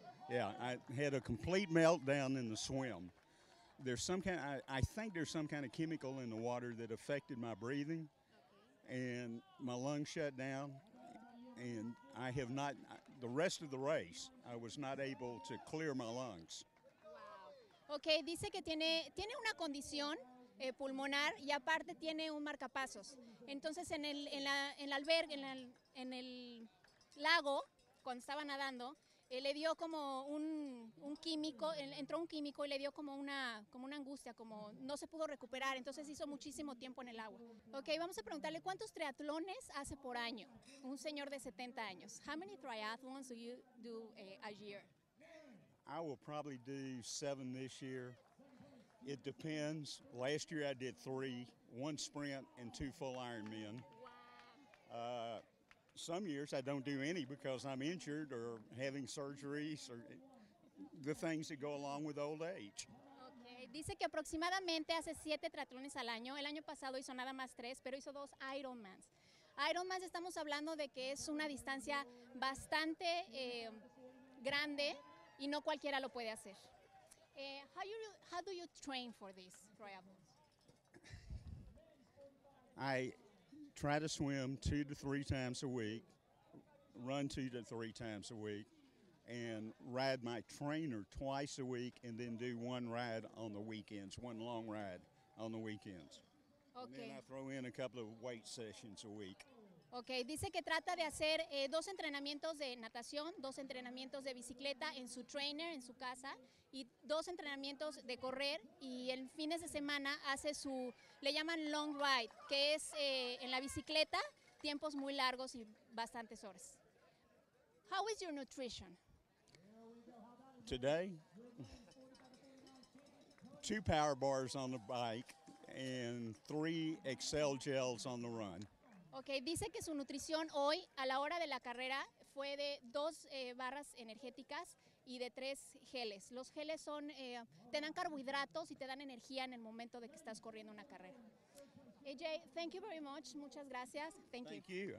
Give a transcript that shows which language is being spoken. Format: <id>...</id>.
<en>Yeah, I had a complete meltdown in the swim. I think there's some kind of chemical in the water that affected my breathing, and my lungs shut down. And I have not, the rest of the race, I was not able to clear my lungs. Wow.</en> <es>Okay, dice que tiene una condición pulmonar y aparte tiene un marcapasos. Entonces en el albergue, en el lago, cuando estaba nadando, le dio como un químico, entró un químico y le dio como una angustia, como no se pudo recuperar, entonces hizo muchísimo tiempo en el agua. Ok, vamos a preguntarle, ¿cuántos triatlones hace por año? Un señor de 70 años.</es> <en>How many triathlons do you do a year? I will probably do 7 this year. It depends. Last year I did 3, 1 sprint and 2 full Ironman. Some years I don't do any because I'm injured or having surgeries or the things that go along with old age.</en> <es>Okay. Dice que aproximadamente hace 7 triatlones al año. El año pasado hizo nada más 3, pero hizo 2 Ironmans. Ironmans estamos hablando de que es una distancia bastante grande y no cualquiera lo puede hacer.</es> <en>How do you train for this triathlon? I try to swim 2 to 3 times a week, run 2 to 3 times a week, and ride my trainer twice a week, and then do 1 ride on the weekends, 1 long ride on the weekends. Okay. And then I throw in a couple of weight sessions a week.</en> <es>Okay, dice que trata de hacer 2 entrenamientos de natación, 2 entrenamientos de bicicleta en su trainer, en su casa, y 2 entrenamientos de correr, y el fines de semana hace su, le llaman long ride, que es en la bicicleta, tiempos muy largos y bastantes horas. How is your nutrition? Today, 2 power bars on the bike and 3 Excel gels on the run. Okay, dice que su nutrición hoy a la hora de la carrera fue de 2 barras energéticas y de 3 geles. Los geles son te dan carbohidratos y te dan energía en el momento de que estás corriendo una carrera.</es> <en>AJ, thank you very much.</en> <es>Muchas gracias.</es> <en>Thank you.</en>